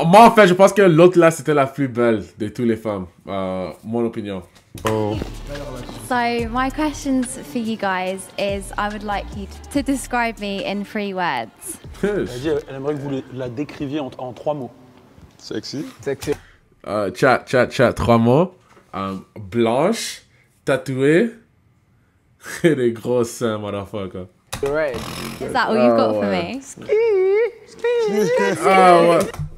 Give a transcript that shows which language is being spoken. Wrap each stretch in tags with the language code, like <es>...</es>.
<fr>Moi, en fait, je pense que l'autre là, c'était la plus belle de toutes les femmes. Mon opinion. Oh.</fr> <en>So my questions for you guys is I would like you to describe me in three words.</en> <fr>Elle aimerait que vous la décriviez en trois mots.</fr> <en>Sexy. Sexy.</en> <fr>Chat. Trois mots. Blanche, tatouée, et des gros seins,</fr> <en>motherfucker. Right. Is that all you've got for me? Ski. Ski.</en>